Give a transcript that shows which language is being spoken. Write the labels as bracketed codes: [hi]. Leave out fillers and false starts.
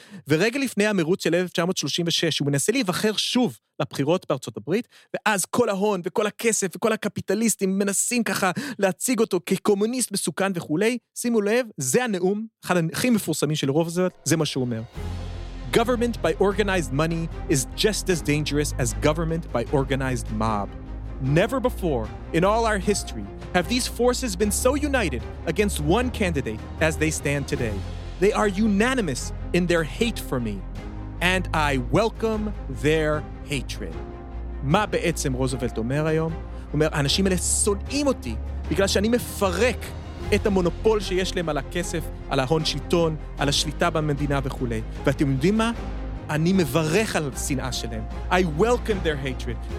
[he] ורגע לפני המרוץ של 1936, הוא מנסה להיבחר שוב לבחירות בארצות הברית, ואז כל ההון וכל הכסף וכל הקפיטליסטים מנסים ככה להציג אותו כקומוניסט מסוכן וכולי. שימו לב, זה הנאום, אחד הכי מפורסמים של רוזוולט, זה מה שהוא אומר. [en] Government by organized money is just as dangerous as government by organized mob. Never before in all our history have these forces been so united against one candidate as they stand today. They are unanimous in their hate for me, and I welcome their hatred. [he] מה בעצם רוזוולט אומר היום? הוא אומר, האנשים האלה שונאים אותי בגלל שאני מפרק את המונופול שיש להם על הכסף, על ההון שלטון, על השליטה במדינה וכו'. ואתם יודעים מה? אני מברך על השנאה שלהם. [en] I welcome their hatred.